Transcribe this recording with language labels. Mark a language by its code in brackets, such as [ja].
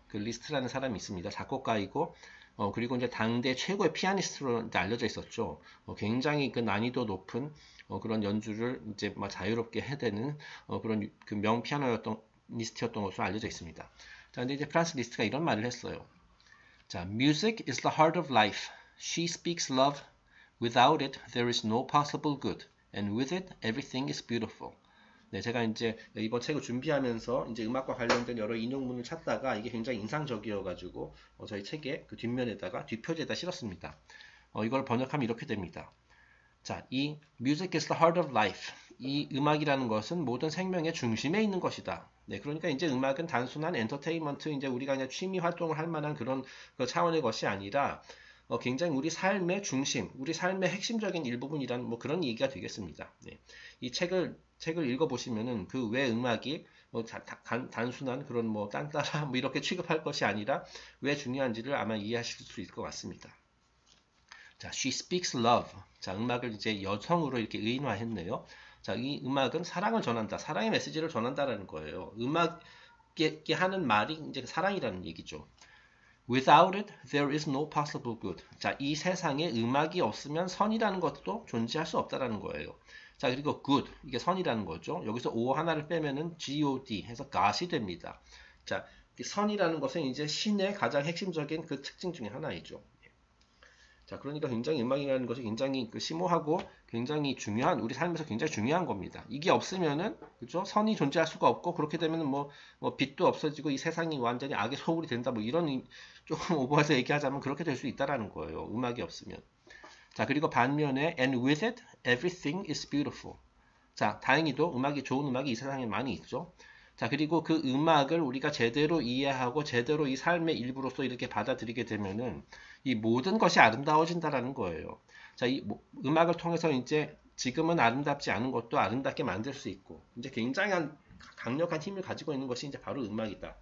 [ko] 그 리스트라는 사람이 있습니다. 작곡가이고, 그리고 이제 당대 최고의 피아니스트로 이제 알려져 있었죠. 굉장히 그 난이도 높은 그런 연주를 이제 막 자유롭게 해대는 그런 그명 피아노였던 리스트였던 것으로 알려져 있습니다. 자, 근데 이제 프란스 리스트가 이런 말을 했어요. [en] 자, Music is the heart of life. She speaks love. Without it, there is no possible good. And with it, everything is beautiful. [ko] 네, 제가 이제 이번 책을 준비하면서 이제 음악과 관련된 여러 인용문을 찾다가 이게 굉장히 인상적이어가지고 저희 책의 그 뒷면에다가 뒷표지에다 실었습니다. 이걸 번역하면 이렇게 됩니다. [en] 자, 이 Music is the heart of life. [ko] 이 음악이라는 것은 모든 생명의 중심에 있는 것이다. 네, 그러니까 이제 음악은 단순한 엔터테인먼트, 이제 우리가 그냥 취미 활동을 할 만한 그런 그 차원의 것이 아니라 굉장히 우리 삶의 중심, 우리 삶의 핵심적인 일부분이란 뭐 그런 얘기가 되겠습니다. 네, 이 책을 읽어보시면은 그왜 음악이 단순한 그런 뭐 딴따라 뭐 이렇게 취급할 것이 아니라 왜 중요한지를 아마 이해하실 수 있을 것 같습니다. [en] 자, She speaks love. [ko] 자, 음악을 이제 여성으로 이렇게 의인화했네요. 자, 이 음악은 사랑을 전한다. 사랑의 메시지를 전한다라는 거예요. 음악이 하는 말이 이제 사랑이라는 얘기죠. [en] Without it, there is no possible good. [ko] 자, 이 세상에 음악이 없으면 선이라는 것도 존재할 수 없다라는 거예요. 자, 그리고 good, 이게 선이라는 거죠. 여기서 O 하나를 빼면은 God 해서 God이 됩니다. 자, 선이라는 것은 이제 신의 가장 핵심적인 그 특징 중에 하나이죠. 자, 그러니까 굉장히 음악이라는 것이 굉장히 그 심오하고 굉장히 중요한, 우리 삶에서 굉장히 중요한 겁니다. 이게 없으면은, 그죠? 선이 존재할 수가 없고, 그렇게 되면은 뭐 빛도 없어지고, 이 세상이 완전히 악의 소굴이 된다, 뭐 이런, 조금 오버해서 얘기하자면 그렇게 될수 있다라는 거예요. 음악이 없으면. 자, 그리고 반면에, [en] and with it, everything is beautiful. [ko] 자, 다행히도 음악이, 좋은 음악이 이 세상에 많이 있죠. 자, 그리고 그 음악을 우리가 제대로 이해하고, 제대로 이 삶의 일부로서 이렇게 받아들이게 되면은, 이 모든 것이 아름다워진다라는 거예요. 자, 이 음악을 통해서 이제 지금은 아름답지 않은 것도 아름답게 만들 수 있고, 이제 굉장히 강력한 힘을 가지고 있는 것이 이제 바로 음악이다.